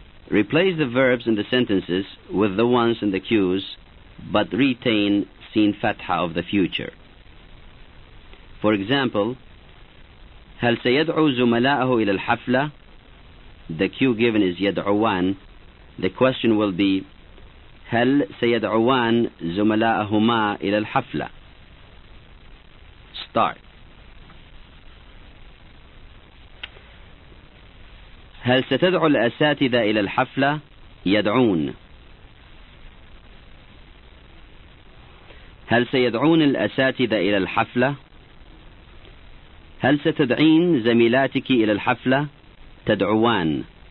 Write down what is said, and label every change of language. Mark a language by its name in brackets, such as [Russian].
[English] Replace the verbs in the sentences with the ones in the cues, but retain sin fatha of the future. For example, [Arabic] هل سيدعو زملائه إلى الحفلة؟ [English] the cue given is يدعوان, the question will be [Arabic] هل سيدعوان زملاءهما إلى الحفلة؟ [English] Start. [Arabic] هل ستدعو الأساتذة إلى الحفلة؟ يدعون. هل سيدعون الأساتذة إلى الحفلة؟ هل ستدعين زميلاتك إلى الحفلة؟ تدعوان.